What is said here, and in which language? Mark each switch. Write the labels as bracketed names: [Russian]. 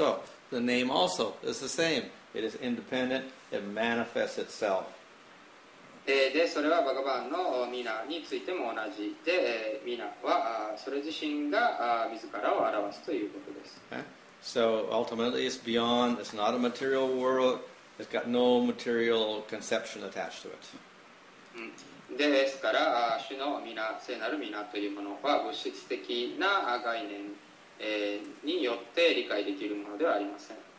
[English] So, the name also is the same. It is independent. It manifests itself. [Japanese] で、それはバガバンのミナについても同じで、ミナはそれ自身が自らを表すということです。 [English] So, ultimately, it's beyond. It's not a material world. It's got no material conception attached to it. [Japanese] ですから、主のミナ、聖なるミナというものは物質的な概念によって理解できるものではありません。